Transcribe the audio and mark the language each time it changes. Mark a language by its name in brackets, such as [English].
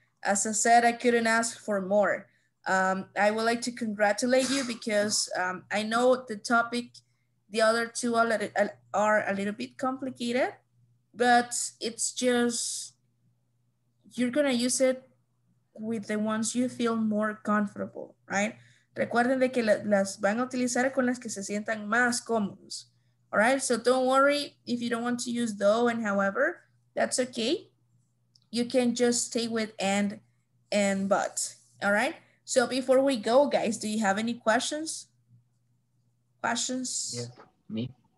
[English] As I said, I couldn't ask for more. I would like to congratulate you because I know the topic, the other two are a little bit complicated, but it's just, you're gonna use it with the ones you feel more comfortable, right? [Spanish] Recuerden de que las van a utilizar con las que se sientan más cómodos. [English] All right, so don't worry if you don't want to use though and however, that's okay. You can just stay with and but, all right? So before we go, guys, do you have any questions? Questions? Yeah, me?